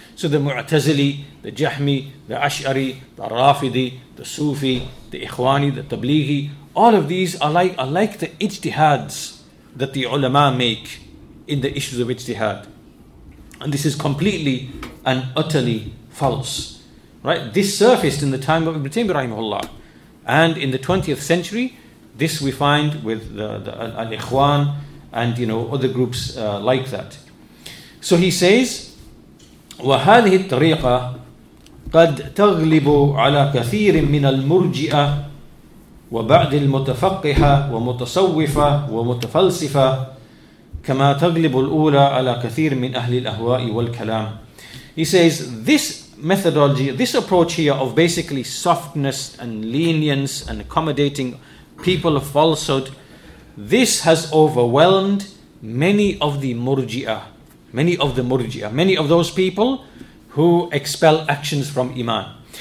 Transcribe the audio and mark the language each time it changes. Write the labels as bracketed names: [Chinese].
[English] So the Mu'tazili, the Jahmi, the Ash'ari, the Rafidi, the Sufi, the Ikhwani, the Tablighi, all of these are like the ijtihads that the ulama make in the issues of ijtihad. And this is completely and utterly false, right? This surfaced in the time of Ibn Taymiyyah rahimahullah. And in the 20th century, this we find with the Al-Ikhwan and, you know, other groups like that. So he says, [Arabic] وَهَذِهِ الطَّرِيقَ قَدْ تَغْلِبُ عَلَىٰ كَثِيرٍ مِّنَ الْمُرْجِئَةِ وبعد المتفقهة ومتصوفة ومتفلسفة كما تغلب الأولى على كثير من أهل الأهواء والكلام. [English] He says this methodology, this approach here of basically softness and lenience and accommodating people of falsehood, this has overwhelmed many of the murji'ah, many of those people who expel actions from iman.